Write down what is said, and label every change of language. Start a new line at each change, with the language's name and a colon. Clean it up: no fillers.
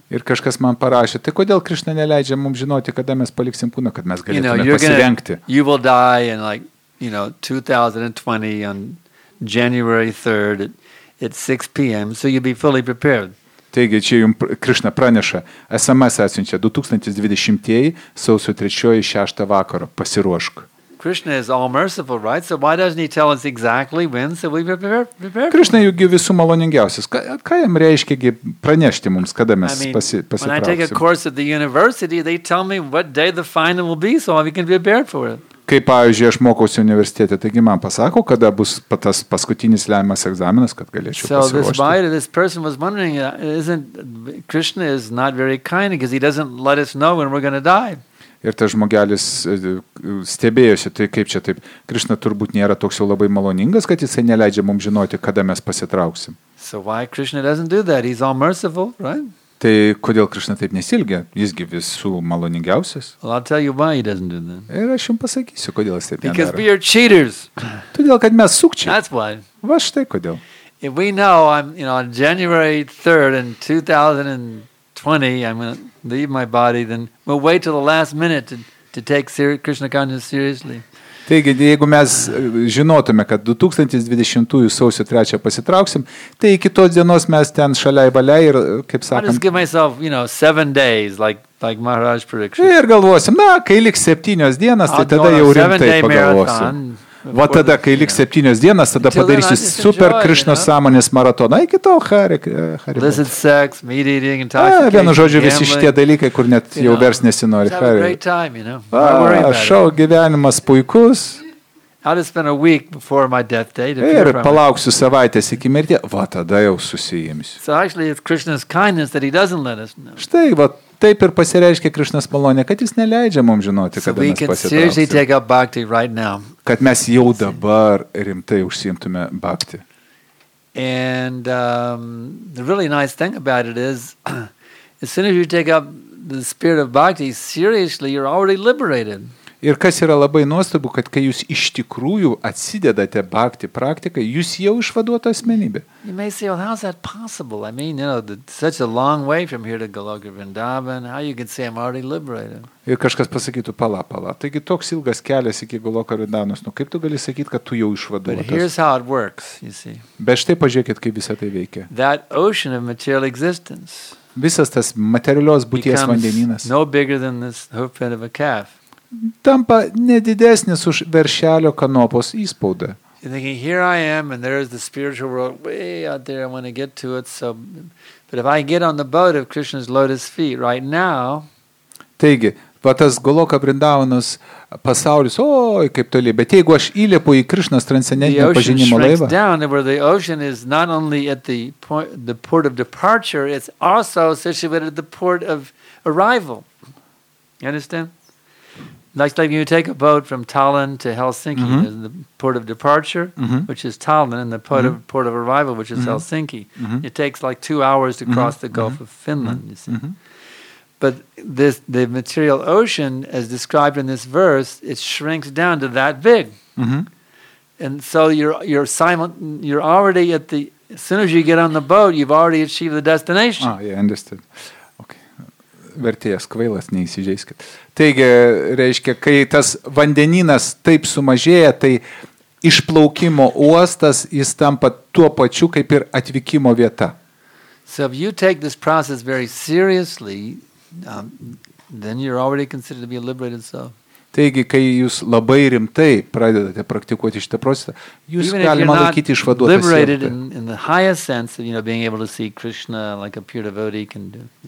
Lithuanian: Ir kažkas man parašė, tai kodėl Krishna neleidžia mums žinoti, kada mes paliksim kūną, kad mes galėtume pasirengti.
English: You will die in like, you know, 2020 on January 3rd at 6 p.m. so you'll be fully prepared.
Lithuanian: Taigi, čia jums Krishna praneša, SMS atsiunčia 2020 sausio 3-6 vakaro, pasiruošk.
English: Krishna is all merciful, right? So why doesn't he tell us exactly when so we prepare?
Lithuanian: Krishna jugi visų maloningiausias. Ką jam reiškia gi pranešti mums, kada mes pasitrauksim?
English: When I take a course at the university, they tell me what day the final will be so we can prepare for it.
Lithuanian: Kaip, pavyzdžiui, aš mokausi universitete, taigi man pasako, kada bus tas paskutinis lemiamas egzaminas, kad galėčiau pasiruošti.
English: So this writer, this person was wondering, isn't Krishna is not very kind because he doesn't let us know when we're going to die.
Lithuanian: Ir tas žmogelis stebėjosi, tai kaip čia taip, Krishna turbūt nėra toks jau labai maloningas, kad jisai neleidžia mums žinoti, kada mes pasitrauksim.
English: So why Krishna doesn't do that? He's all merciful, right?
Lithuanian: Tai kodėl Krishna taip nesilgia? Jisgi visų maloningiausias.
English: Well, I'll tell you why he doesn't do that.
Lithuanian: Ir aš jums pasakysiu, kodėl jis taip nedaro.
English: Because we are cheaters.
Lithuanian: Todėl, kad mes sukčiai.
English: That's why.
Lithuanian: Va štai kodėl.
English: If we know I'm, you know, on January 3rd in 2020, I'm going to leave my body, then we'll wait till the last minute to take Krishna consciousness seriously.
Lithuanian: Taigi, jeigu mes žinotume, kad 2020 sausio 3 pasitrauksim, tai iki tos dienos mes ten šaliai baliai ir, kaip sakant...
English: I just give myself, you know, 7 days, like Maharaj prediction.
Lithuanian: Ir galvosim, na, kai liks 7 dienas, tai tada jau rimtai pagalvosim. Va tada, kai liks 7 dienas, tada padarysiu super Krishna sąmonės maratoną. Iki to, Hari.
English: Illicit sex, meat eating, intoxication, gambling.
Lithuanian: Vienu žodžiu, visi šitie dalykai, kur net jau vers nesinori.
English: It's a great time, you know.
Lithuanian: Šau gyvenimas puikus.
English: I'll just spend a week before my death day.
Lithuanian: Ir palauksiu savaitės iki mirties. Va tada jau susijimsiu.
English: So actually, it's Krishna's kindness that he doesn't let us know.
Lithuanian: Štai, va. Taip ir pasireiškia Krishnas malonė, kad jis neleidžia mums žinoti, kada mes pasitrauksime. Kad mes jau dabar rimtai užsiimtume bhakti.
English: And the really nice thing about it is as soon as you take up the spirit of bhakti seriously, you're already liberated.
Lithuanian: Ir kas yra labai nuostabu, kad kai jūs iš tikrųjų atsidedate bhakti praktikai, jūs jau išvaduota asmenybė.
English: You may say, well, how's that possible? I mean, you know, such a long way from here to Goloka Vrindavan, how you can say I'm already liberated?
Lithuanian: Ir kažkas pasakytų, pala, taigi toks ilgas kelias iki Goloka Vrindavanos, nu kaip tu gali sakyti, kad tu jau išvaduotas?
English: But here's how it works, you see.
Lithuanian: Bet štai pažiūrėkit, kaip visa tai veikia.
English: That ocean of material existence.
Lithuanian: Visas tas materialios būties vandenynas.
English: No bigger than this hoofprint of a calf.
Lithuanian: Tampa nedidesnis už veršelio kanopos įspaudą.
English: You're thinking, here I am, and there's the spiritual world way out there. I want to get to it. So, but if I get on the boat of Krishna's lotus feet right now,
Lithuanian: taigi, va tas Goloka Vrindavanas pasaulis, oi, kaip toli. Bet jeigu aš įlėpu į Krishna's transcendentinio pažinimo laivą,
English: the ocean shrinks down, where the ocean is not only at the point, the port of departure, it's also situated at the port of arrival. You understand? Like you take a boat from Tallinn to Helsinki, mm-hmm. the port of departure, mm-hmm. which is Tallinn, and the port, mm-hmm. of, port of arrival, which is, mm-hmm. Helsinki. Mm-hmm. It takes like 2 hours to cross, mm-hmm. the Gulf, mm-hmm. of Finland, you see. Mm-hmm. But this, the material ocean, as described in this verse, it shrinks down to that big. Mm-hmm. And so you're already at the, as soon as you get on the boat, you've already achieved the destination. Oh, yeah, understood.
Lithuanian: Vertėjas kvailas, neįsižeiskit. Taigi, reiškia, kai tas vandenynas taip sumažėja, tai išplaukimo uostas, jis tampa tuo pačiu, kaip ir atvykimo vieta.
English: So if you take this process very seriously, then you're already considered to be a liberated soul.
Lithuanian: Taigi, kai jūs labai rimtai pradedate praktikuoti šitą procesą, jūs galima laikyti išvaduotą sielą.
English: Liberated in the highest sense of, you know, being able to see Krishna like a pure devotee can do.